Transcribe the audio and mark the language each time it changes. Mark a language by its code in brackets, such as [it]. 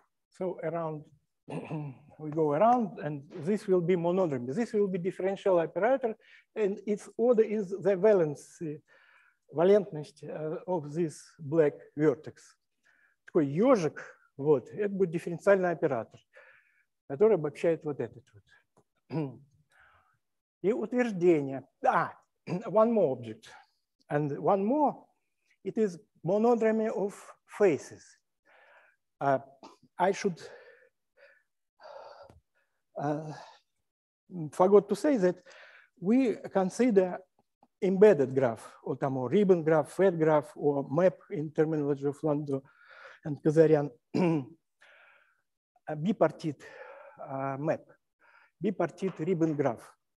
[en] So around we go around, and this will be monodromy. This will be differential operator, and its order is the valentность of this black vertex. [ru] Такой ёжик, вот, это будет дифференциальный оператор, который обобщает вот этот вот. И утверждение, да, [en] one more object. And one more, it is monodromy of faces. I should forgot to say that we consider embedded graph, or ribbon graph, fed graph, or map in terminology of Landau and Kazarian, a bipartite map, bipartite ribbon graph.